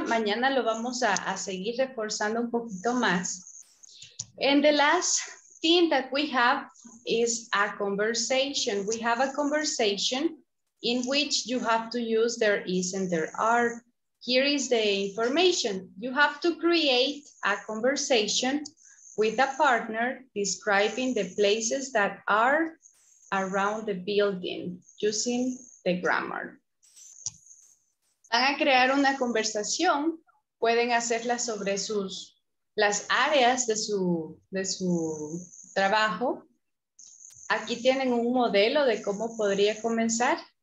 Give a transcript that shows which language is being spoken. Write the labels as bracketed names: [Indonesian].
[Spanish] Mañana lo vamos a seguir reforzando un poquito más. [English] And the last thing that we have is a conversation. We have a conversation in which you have to use there is and there are. Here is the information. You have to create a conversation with a partner describing the places that are around the building using the grammar. [Spanish] Van a crear una conversación, pueden hacerla sobre las áreas de su trabajo. Aquí tienen un modelo de cómo podría comenzar.